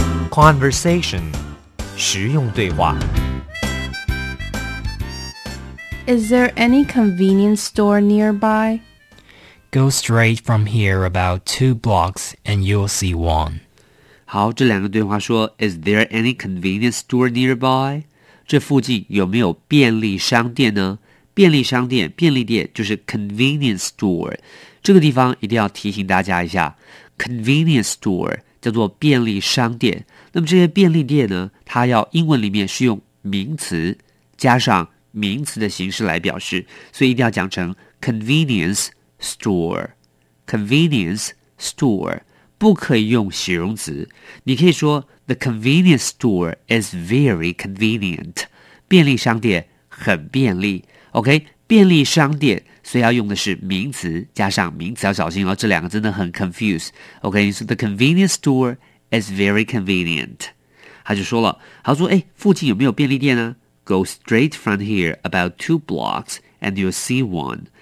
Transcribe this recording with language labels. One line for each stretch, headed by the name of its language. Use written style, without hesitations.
Chinese: Conversation. 实用对话。
English: Is there any convenience store nearby? Go straight from here about two blocks and you'll see one.
Chinese: 好，这两个对话说
English: Is there any convenience store nearby?
Chinese: 这附近有没有便利商店呢？便利商店，便利店就是 convenience store。这个地方一定要提醒大家一下， convenience store叫做便利商店。那么这些便利店呢，它要英文里面是用名词加上名词的形式来表示，所以一定要讲成 convenience store, convenience store, 不可以用形容词。你可以说
English: the convenience store is very convenient,
Chinese: 便利商店很便利。 OK, 便利商店所以要用的是名词加上名词，要小心哦，这两个真的很 confuse。
English: OK, so the convenience store is very convenient。
Chinese: 他就说了，他说诶，附近有没有便利店呢？
English: Go straight from here about two blocks and you'll see one。